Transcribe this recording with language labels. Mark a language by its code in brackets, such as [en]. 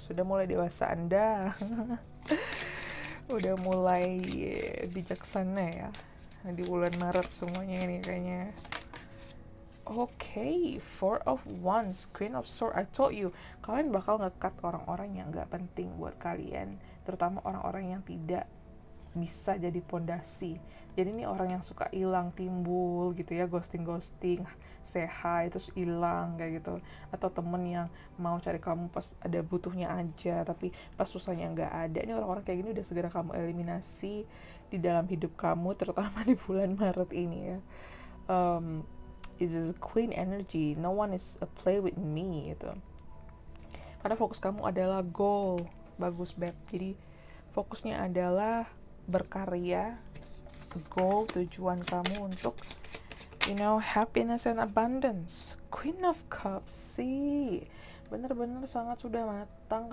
[id] Sudah mulai dewasa Anda. Udah mulai bijaksana ya. Di bulan Maret semuanya ini kayaknya. [en] Okay, Four of Wands, Queen of Swords. I told you, [id] kalian bakal nge-cut orang-orang yang gak penting buat kalian, terutama orang-orang yang tidak bisa jadi pondasi. Jadi ini orang yang suka hilang timbul gitu ya, ghosting-ghosting, say hi terus hilang kayak gitu. Atau temen yang mau cari kamu pas ada butuhnya aja, tapi pas susahnya nggak ada. Ini orang-orang kayak gini udah segera kamu eliminasi di dalam hidup kamu, terutama di bulan Maret ini ya. [en] This is a queen energy, no one is a play with me [id] gitu. Karena fokus kamu adalah goal. Bagus, beb. Jadi fokusnya adalah berkarya, goal, tujuan kamu untuk, [en] you know, happiness and abundance. [id] Queen of Cups sih, benar-benar sangat sudah matang.